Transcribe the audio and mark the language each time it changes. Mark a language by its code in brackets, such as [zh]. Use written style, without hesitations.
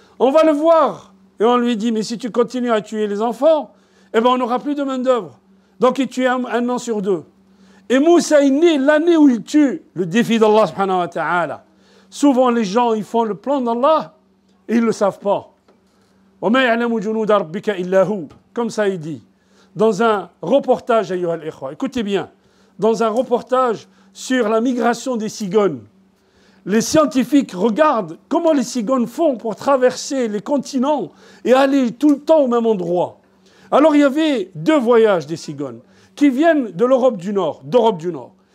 [fr] On va le voir et on lui dit « Mais si tu continues à tuer les enfants, eh ben on n'aura plus de main d'œuvre. » Donc il tue un an sur deux. Et Moussa est né l'année où il tue le défi d'Allah subhanahu wa ta'ala. Souvent, les gens, ils font le plan d'Allah et ils ne le savent pas. [ar] « وَمَا يَعْلَمُ جُنُودَ رَبِّكَ إِلَّا هُوْ » [fr] Comme ça, il dit. Dans un reportage, ayyuhal ikhwa, écoutez bien, dans un reportage sur la migration des cigognes, les scientifiques regardent comment les cigognes font pour traverser les continents et aller tout le temps au même endroit. Alors, il y avait deux voyages des cigognes qui viennent de l'Europe du Nord, d'Europe du Nord.